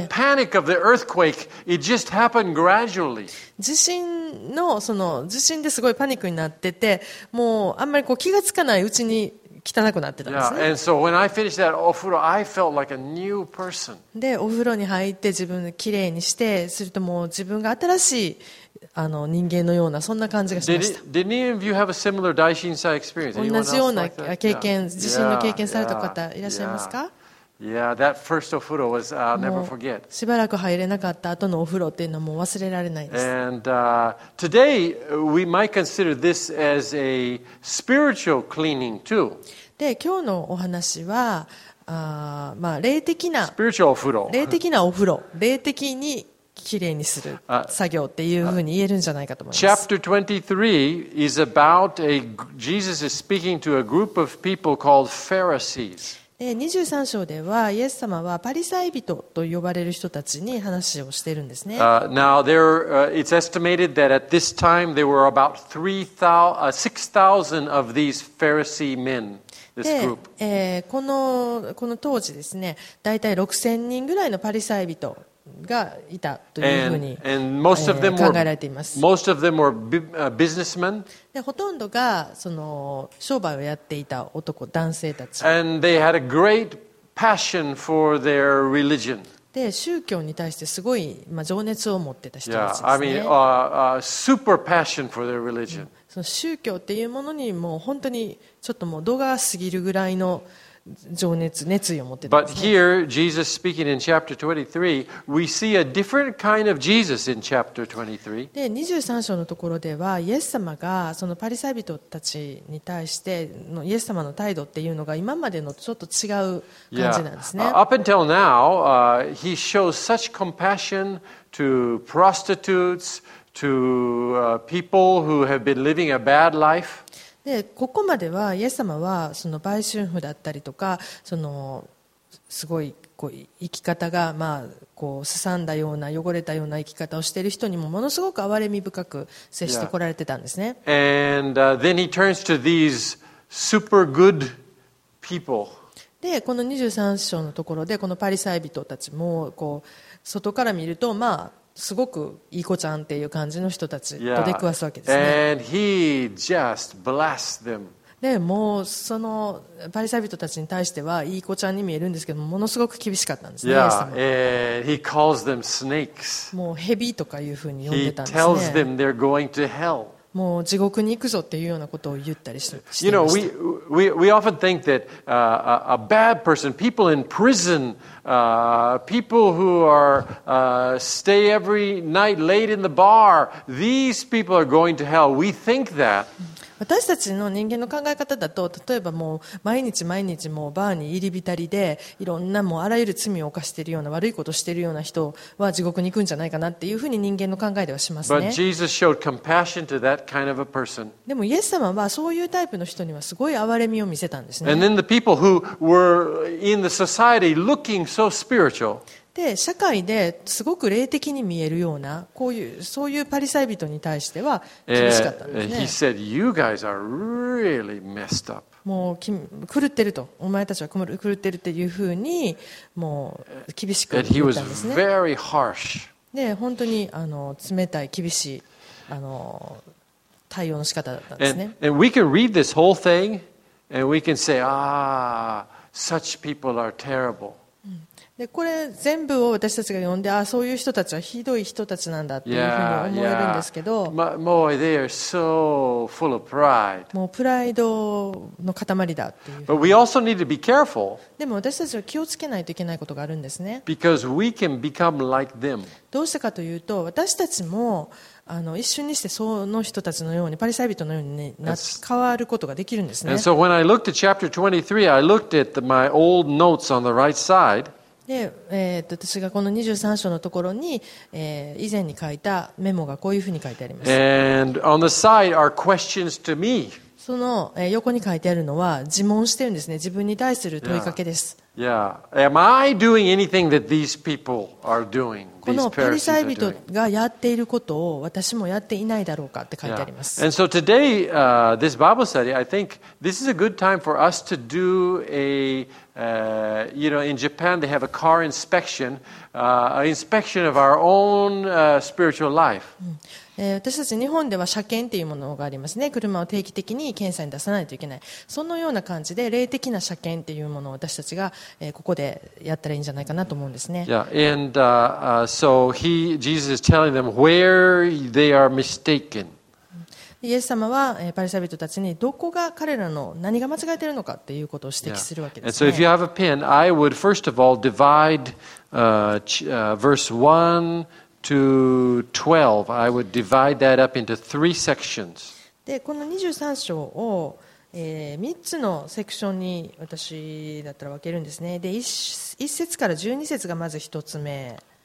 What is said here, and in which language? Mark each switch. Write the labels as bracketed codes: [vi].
[en] In the panic of the earthquake, it just happened gradually. [ja] 地震のその地震ですごいパニックになってて、もうあんまりこう気がつかないうちに汚くなってたんですね。 [en] Yeah, and so when I finished that offuro, I felt like a new person. [ja] で、お風呂に入って自分きれいにして、するともう自分が新しいあの人間のようなそんな感じがしました。 [en] Did any of you have a similar 大震災 experience? [ja] 同じような経験、地震の経験された方いらっしゃいますか？ [en] Yeah, that first offuro was never forget. [ja] しばらく入れなかった後のお風呂っていうのも忘れられないです。 [en] And today we might consider this as a spiritual cleaning too. [ja] で、今日のお話は、まあ霊的な、 [en] spiritual offuro、 [ja] 霊的なお風呂、霊的にきれいにする作業っていうふうに言えるんじゃないかと思います。 [en] Chapter 23 is about a Jesus is speaking to a group of people called Pharisees. [ja] 23章ではイエス様はパリサイ人と呼ばれる人たちに話をしているんですね。 [en] Now there, it's estimated that at this time there were about 6,000 of these Pharisee men. [ja] で、この当時ですね、だいたい6000人ぐらいのパリサイ人がいたというふうに考えられています。 [en] Most of them were businessmen. [ja] で、ほとんどがその商売をやっていた男、男性たち。 [en] And they had a great passion for their religion. [ja] で、宗教に対してすごい、まあ、情熱を持ってた人たちですね。 [en] Yeah, I mean, super passion for their religion. [ja] その宗教っていうものにもう本当にちょっともう度が過ぎるぐらいの情熱、熱意を持ってたんですね。 [en] But here, Jesus speaking in chapter 23, we see a different kind of Jesus in chapter 23. [ja] で、23章のところでは、イエス様がそのパリサイ人たちに対してのイエス様の態度っていうのが今までのちょっと違う感じなんですね。 [en] Yeah. Up until now, he shows such compassion to prostitutes, to people who have been living a bad life. [ja] で、ここまではイエス様はその売春婦だったりとか、そのすごいこう生き方がまあこうすさんだような汚れたような生き方をしている人にもものすごく憐れみ深く接してこられてたんですね。 [en] And then he turns to these super good people. [ja] で、この23章のところでこのパリサイ人たちもこう外から見るとまあすごくいい子ちゃんっていう感じの人たちと出くわすわけですね。 [en] Yeah. And he just blessed them. [ja] で、もうそのパリサイ人たちに対してはいい子ちゃんに見えるんですけども、ものすごく厳しかったんですね。 [en] Yeah. And he calls them snakes. [ja] もう蛇とかいうふうに呼んでたんですね。 [en] He tells them they're going to hell. [ja] もう地獄に行くぞっていうようなことを言ったりしてました。 [en] You know, we often think that a bad person, people in prison. People who are stay every night late in the bar, these people are going to hell. We think that. [ja] 私たちの人間の考え方だと、例えばもう毎日毎日もうバーに入り浸りで、いろんなもうあらゆる罪を犯しているような悪いことをしているような人は地獄に行くんじゃないかなっていうふうに人間の考えではしますね。 [en] But Jesus showed compassion to that kind of a person. [ja] でもイエス様はそういうタイプの人にはすごい憐れみを見せたんですね。 [en] And then the people who were in the society looking so spiritual. [ja] で、社会ですごく霊的に見えるようなこういうそういうパリサイ人に対しては厳しかったんですね。 [en] He said, you guys are really messed up. [ja] もう狂ってると、お前たちは狂ってるっていうふうにもう厳しく言ったんですね。 [en] And he was very harsh. [ja] で、本当にあの冷たい厳しいあの対応の仕方だったんですね。 [en] And we can read this whole thing and we can say, ah, such people are terrible. [ja] でこれ全部を私たちが読んで、ああそういう人たちはひどい人たちなんだっていうふうに思えるんですけど、 [en] もう they are so full of pride. [ja] もうプライドの塊だっていう。 [en] But we also need to be careful. [ja] でも私たちは気をつけないといけないことがあるんですね。 [en] Because we can become like them. [ja] どうしてかというと、私たちもあの一瞬にしてその人たちのようにパリサイ人のように、ね、変わることができるんですね。 [en] And so when I looked at chapter 23, I looked at my old notes on the right side. [ja] で、私がこの23章のところに、以前に書いたメモがこういうふうに書いてあります。 [en] And on the side are questions to me. [ja] その横に書いてあるのは自問してるんですね。自分に対する問いかけです。 [en] Yeah. Yeah. Am I doing anything that these people are doing? [ja] このパリサイ人がやっていることを私もやっていないだろうかって書いてあります。 [en] Yeah. And so today, this Bible study, I think this is a good time for us to do a, you know, in Japan they have a car inspection, an inspection of our own spiritual life. [ja] 私たち日本では車検というものがありますね。車を定期的に検査に出さないといけない。そのような感じで霊的な車検というものを私たちがここでやったらいいんじゃないかなと思うんですね。 [en] Yeah. And, so he, Jesus is telling them where they are mistaken. [ja] イエス様はパリサイ人たちにどこが彼らの何が間違えているのかということを指摘するわけですね。 [en] And so if you have a pen, I would first of all divide verse 1to 12, I would divide that up into three sections. [ja] で、この23章を、3つのセクションに私だったら分けるんですね。で、1節から12節がまず1つ目。